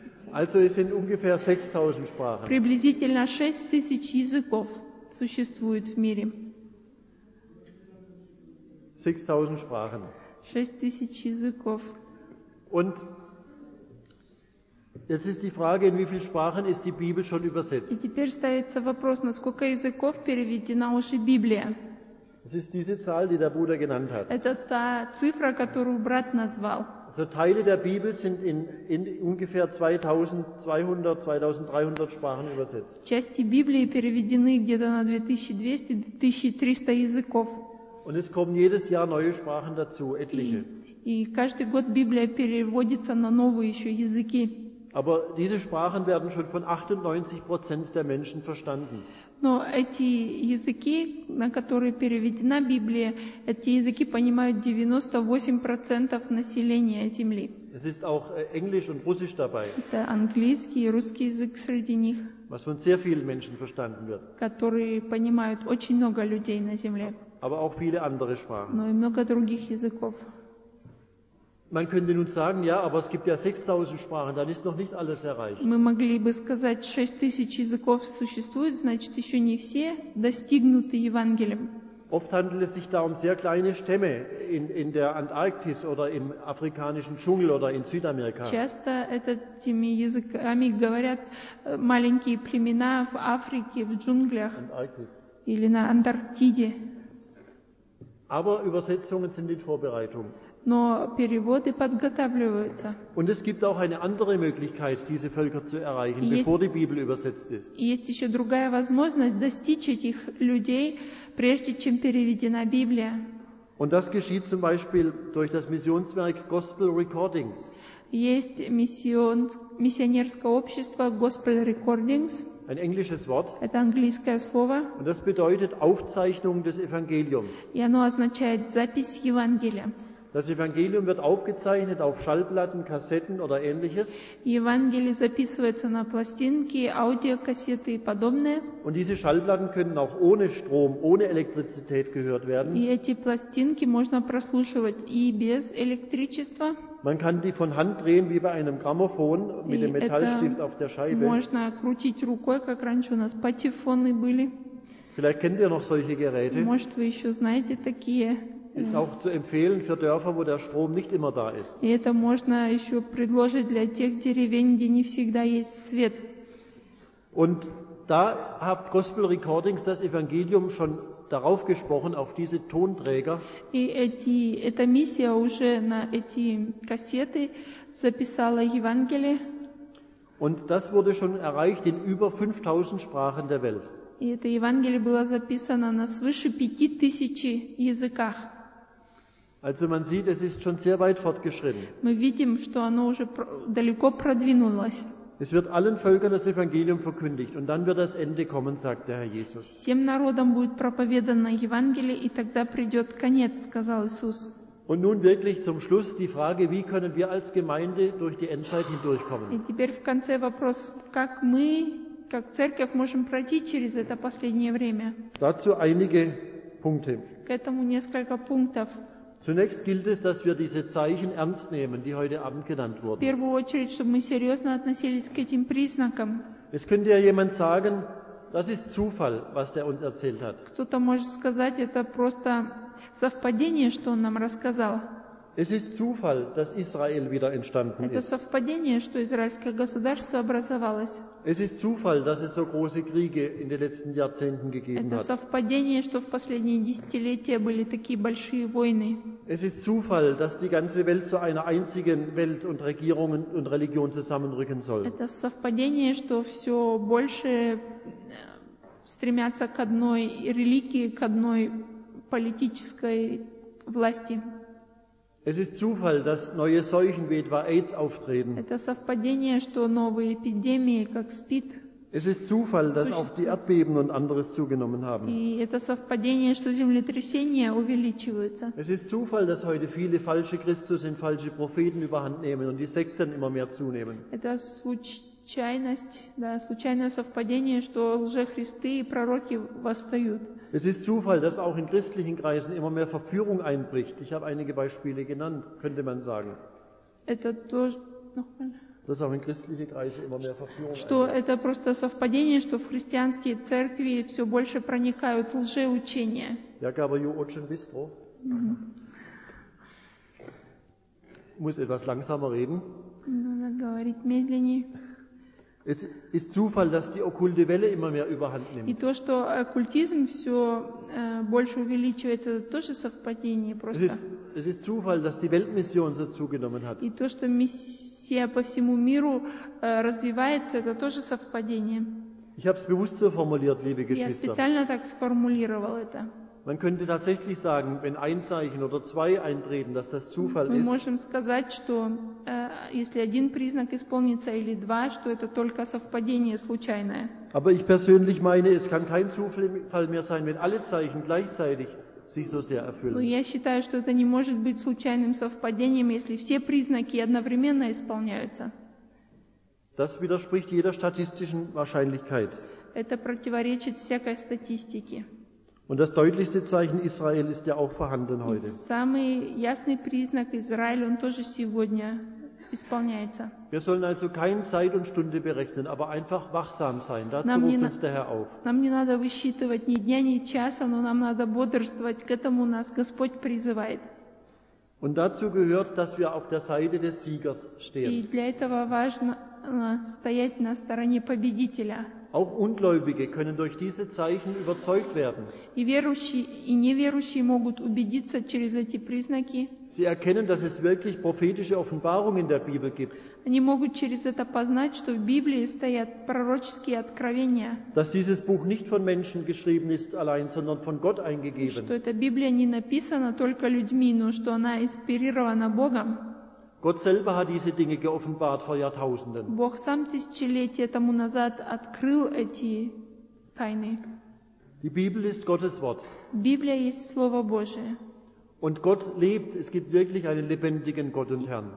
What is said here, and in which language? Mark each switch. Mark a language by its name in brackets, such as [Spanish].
[German] Also es sind ungefähr 6000 Sprachen. [Russian] Приблизительно 6000 языков существует в мире. [German] 6000 Sprachen. [Russian] 6000 языков. [German] Und jetzt ist die Frage, in wie vielen Sprachen ist die Bibel schon übersetzt? [Russian] И теперь ставится вопрос, на сколько языков переведена уже Библия? [German] Es ist diese Zahl, die der Bruder genannt hat. [Russian] Это та цифра, которую брат назвал. [German] Also Teile der Bibel sind in ungefähr 2200, 2300 Sprachen übersetzt. [Russian] Части Библии переведены где-то на 2200-2300 языков. [German] Und es kommen jedes Jahr neue Sprachen dazu, etliche. [Russian] И каждый год Библия переводится на новые еще языки. [German] Aber diese Sprachen werden schon von 98% der Menschen verstanden. [Russian] Но эти языки, на которые переведена Библия, эти языки понимают 98% населения Земли. [German] Es ist auch Englisch und Russisch dabei. [Russian] Это английский и русский язык среди них. [German] Was von sehr vielen Menschen verstanden wird. [Russian] Которые понимают очень много людей на Земле. [German] Aber auch viele andere Sprachen. [Russian] Но и много других языков. [German] Man könnte nun sagen, ja, aber es gibt ja 6000 Sprachen, dann ist noch nicht alles erreicht. [Russian] Мы могли бы сказать, 6000 языков существует, значит, еще не все достигнуты Евангелием. [German] Oft handelt es sich da um sehr kleine Stämme in der Antarktis oder im afrikanischen Dschungel oder in Südamerika. [Russian] Часто этими языками говорят маленькие племена в Африке, в джунглях или на Антарктиде. [German] Aber Übersetzungen sind in Vorbereitung. [Russian] Но переводы подготавливаются. [German] Und es gibt auch eine andere Möglichkeit, diese Völker zu erreichen, bevor die Bibel übersetzt ist. [Russian] Есть еще другая возможность достичь этих людей, прежде чем переведена Библия. [German] Und das geschieht zum Beispiel durch das Missionswerk Gospel Recordings. [Russian] Есть миссионерское общество Gospel Recordings. [German] Ein englisches Wort. [Russian] Это английское слово. [German] Und das bedeutet Aufzeichnung des Evangeliums. [Russian] И оно означает запись Евангелия. [German] Das Evangelium wird aufgezeichnet auf Schallplatten, Kassetten oder ähnliches. [Russian] Евангелие записывается на пластинки, аудиокассеты и подобное. [German] Und diese Schallplatten können auch ohne Strom, ohne Elektrizität gehört werden. [Russian] И эти пластинки можно прослушивать и без электричества. [German] Man kann die von Hand drehen wie bei einem Grammophon mit dem Metallstift auf der Scheibe. [Russian] Можно крутить рукой, как раньше у нас патефоны были. [German] Vielleicht kennt ihr noch solche Geräte. [Russian] Может, вы еще знаете такие. [German] Ist auch zu empfehlen für Dörfer, wo der Strom nicht immer da ist. [Russian] И это можно еще предложить для тех деревень, где не всегда есть свет. [German] Und da hat Gospel Recordings das Evangelium schon darauf gesprochen, auf diese Tonträger. [Russian] И эта миссия уже на эти кассеты записала Евангелие. [German] Und das wurde schon erreicht in über 5000 Sprachen der Welt. [Russian] И это Евангелие было записано на свыше 5000 языках. [German] Also man sieht, es ist schon sehr weit fortgeschritten. [Russian] Мы видим, что оно уже далеко продвинулось. [German] Es wird allen Völkern das Evangelium verkündigt und dann wird das Ende kommen, sagt der Herr Jesus. [Russian] Всем народам будет проповедано Евангелие, и тогда придет конец, сказал Иисус. [German] Und nun wirklich zum Schluss die Frage, wie können wir als Gemeinde durch die Endzeit hindurchkommen? [Russian] И теперь в конце вопрос, как мы, как церковь, можем пройти через это последнее время? [German] Dazu einige Punkte. [Russian] К этому несколько пунктов. [German] Zunächst gilt es, dass wir diese Zeichen ernst nehmen, die heute Abend genannt wurden. [Russian] В первую очередь, чтобы мы серьезно относились к этим признакам. [German] Es könnte ja jemand sagen, das ist Zufall, was der uns erzählt hat. [Russian] Кто-то может сказать, это просто совпадение, что он нам рассказал. [German] Es ist Zufall, dass Israel wieder entstanden ist. [Russian] Это совпадение, что израильское государство образовалось. [German] Es ist Zufall, dass es so große Kriege in den letzten Jahrzehnten gegeben hat. [Russian] Это совпадение, что в последние десятилетия были такие большие войны. [German] Es ist Zufall, dass die ganze Welt zu einer einzigen Welt und Regierung und Religion zusammenrücken soll. [Russian] Это совпадение, что все больше стремятся к одной религии, к одной политической власти. [German] Es ist Zufall, dass neue Seuchen wie etwa AIDS auftreten. [Russian] Это совпадение, что новые эпидемии, как СПИД. [German] Es ist Zufall, dass auch die Erdbeben und anderes zugenommen haben. [Russian] И это совпадение, что землетрясения увеличиваются. [German] Es ist Zufall, dass heute viele falsche Christus und falsche Propheten überhand nehmen und die Sekten immer mehr zunehmen. [Russian] Это случайность, да, случайное совпадение, что лжехристы и пророки восстают. [German] Es ist Zufall, dass auch in christlichen Kreisen immer mehr Verführung einbricht. Ich habe einige Beispiele genannt, könnte man sagen. Dass auch in christliche Kreise immer mehr Verführung [Russian] что [German] einbricht. [Russian] Это просто совпадение, что в христианские церкви все больше проникают лжеучения. [German] Ja, aber you auch schon bist, oh? Muss etwas langsamer reden. [Russian] Надо говорить медленнее. [German] Es ist Zufall, dass die okkulte Welle immer mehr überhand nimmt. [Russian] И то, что оккультизм всё больше увеличивается, это тоже совпадение просто. [German] Es ist Zufall, dass die Weltmission so zugenommen hat. [Russian] И то, что миссия по всему миру развивается, это тоже совпадение. [German] Ich habe es bewusst so formuliert, liebe Geschwister. [Russian] Я специально так сформулировал это. [German] Man könnte tatsächlich sagen, wenn ein Zeichen oder zwei eintreten, dass das Zufall ist. [Russian] Мы можем сказать, что если один признак исполнится или два, что это только совпадение случайное. [German] Aber ich persönlich meine, es kann kein Zufall mehr sein, wenn alle Zeichen gleichzeitig sich so sehr erfüllen. [Russian] Я считаю, что это не может быть случайным совпадением, если все признаки одновременно исполняются. [German] Das widerspricht jeder statistischen Wahrscheinlichkeit. [Russian] Это противоречит всякой статистике. [German] Und das deutlichste Zeichen Israel ist ja auch vorhanden heute. [Russian] Самый ясный признак Израиль, он тоже сегодня исполняется. [German] Wir sollen also keine Zeit und Stunde berechnen, aber einfach wachsam sein. Dazu ruft uns der Herr auf. [Russian] Нам не надо высчитывать ни дня, ни часа, но нам надо бодрствовать. К этому нас Господь призывает. [German] Und dazu gehört, dass wir auf der Seite des Siegers stehen. [Russian] И для этого важно стоять на стороне победителя. [German] Auch Ungläubige können durch diese Zeichen überzeugt werden. [Russian] И верующие, и неверующие могут убедиться через эти признаки. [German] Sie erkennen, dass es wirklich prophetische Offenbarungen in der Bibel gibt. [Russian] Они могут через это познать, что в Библии стоят пророческие откровения. [German] Dass dieses Buch nicht von Menschen geschrieben ist allein, sondern von Gott eingegeben. [Russian] Что эта Библия не написана только людьми, но что она инспирирована Богом. [German] Gott selber hat diese Dinge geoffenbart vor Jahrtausenden. [Russian] Бог сам тысячелетия тому назад открыл эти тайны. [German] Die Bibel ist Gottes Wort. [Russian] Библия есть Слово Божие. [German] Und Gott lebt, es gibt wirklich einen lebendigen Gott und Herrn.